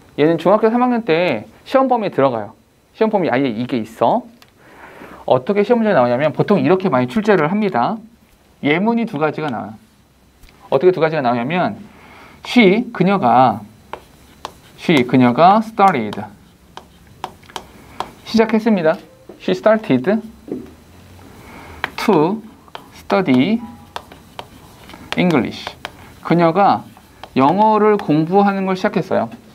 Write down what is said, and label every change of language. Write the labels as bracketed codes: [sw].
[ko] 얘는 중학교 3학년 때 시험범위에 들어가요. 시험범위 아예 이게 있어. 어떻게 시험 문제가 나오냐면 보통 이렇게 많이 출제를 합니다. 예문이 두 가지가 나와요. 어떻게 두 가지가 나오냐면 she, 그녀가 started 시작했습니다. [en] She started to study English. [ko] 그녀가 영어를 공부하는 걸 시작했어요.